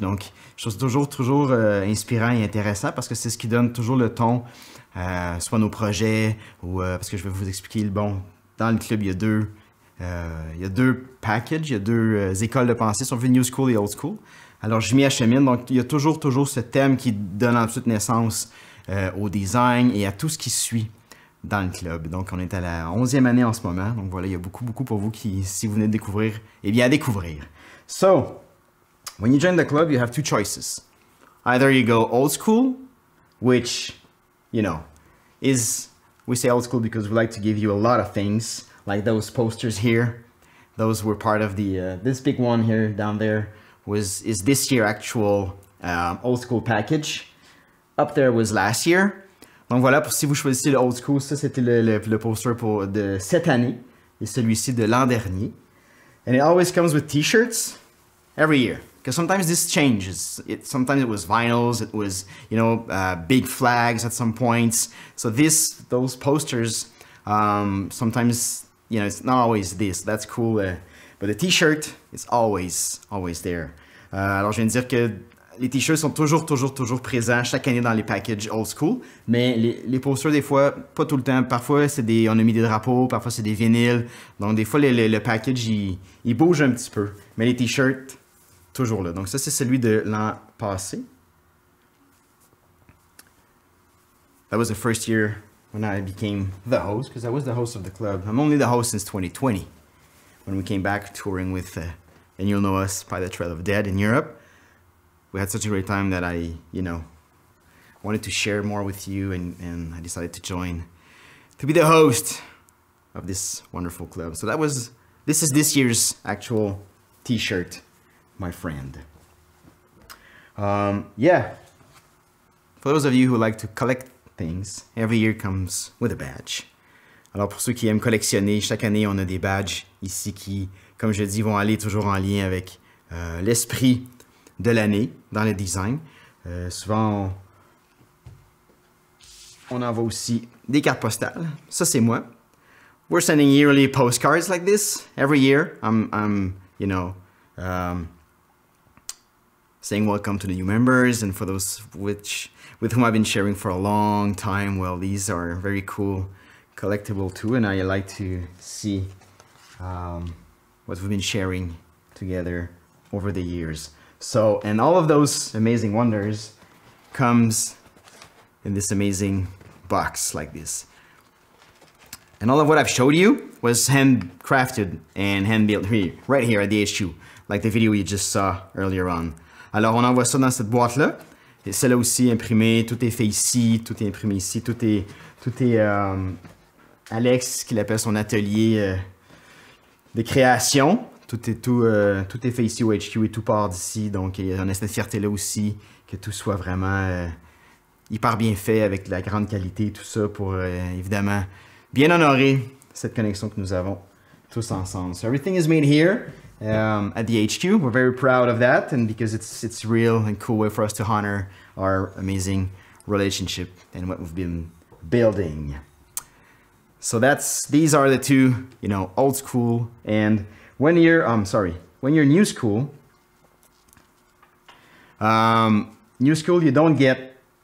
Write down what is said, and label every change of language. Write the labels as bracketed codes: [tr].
[fr] Donc, je trouve ça toujours inspirant et intéressant parce que c'est ce qui donne toujours le ton, soit nos projets ou parce que je vais vous expliquer, bon, dans le club, il y a deux packages, il y a deux écoles de pensée, si on veut New School et Old School. Alors, je m'y achemine. Donc, il y a toujours ce thème qui donne ensuite naissance au design et à tout ce qui suit dans le club. Donc, on est à la 11e année en ce moment. Donc, voilà, il y a beaucoup pour vous qui, si vous venez de découvrir, eh bien, à découvrir. [en] So, when you join the club, you have two choices. Either you go old school, which, you know, is... We say old school because we like to give you a lot of things, like those posters here. Those were part of the this big one here down there. Is this year actual old school package. Up there was last year. [fr] Donc voilà, pour, si vous choisissez le old school, ça c'était le poster pour de cette année et celui-ci de l'an dernier. [en] And it always comes with t-shirts every year. Because sometimes this changes. Sometimes it was vinyls, it was, you know, big flags at some points. So this, those posters, sometimes, you know, it's not always this. That's cool. But the t-shirt is always there. [fr] Alors, je viens de dire que les t-shirts sont toujours présents chaque année dans les packages old school. Mais les posters, des fois, pas tout le temps. Parfois, on a mis des drapeaux, parfois, c'est des vinyles. Donc, des fois, le package, il bouge un petit peu. Mais les t-shirts, toujours là. Donc, ça, c'est celui de l'an passé. [en] That was the first year when I became the host, because I was the host of the club. I'm only the host since 2020, when we came back touring with... And you'll know us by the Trail of Dead in Europe. We had such a great time that I, you know, wanted to share more with you and I decided to join to be the host of this wonderful club. So this is this year's actual t-shirt, my friend. Yeah, for those of you who like to collect things, every year comes with a badge. [fr] Alors pour ceux qui aiment collectionner, chaque année on a des badges ici qui, comme je dis, vont aller toujours en lien avec l'esprit de l'année dans le design. Souvent, on envoie aussi des cartes postales. Ça, c'est moi. [en] We're sending yearly postcards like this. Every year, I'm you know, saying welcome to the new members and for those with whom I've been sharing for a long time. Well, these are very cool collectible too, and I like to see... what we've been sharing together over the years. So, and all of those amazing wonders comes in this amazing box like this. And all of what I've showed you was handcrafted and hand-built here, right here at the HQ, like the video you just saw earlier on. [fr] Alors, on envoie ça dans cette boîte-là. Et celle-là aussi imprimée, tout est fait ici, tout est imprimé ici, tout est Alex, qui l'appelle son atelier, des créations, tout est fait ici au HQ et tout part d'ici, donc il y en a cette fierté là aussi que tout soit vraiment hyper bien fait avec la grande qualité et tout ça pour évidemment bien honorer cette connexion que nous avons tous ensemble. [en] So everything is made here at the HQ. We're very proud of that and because it's real and cool way for us to honor our amazing relationship and what we've been building. So these are the two, you know, old school and when you're new school, you don't get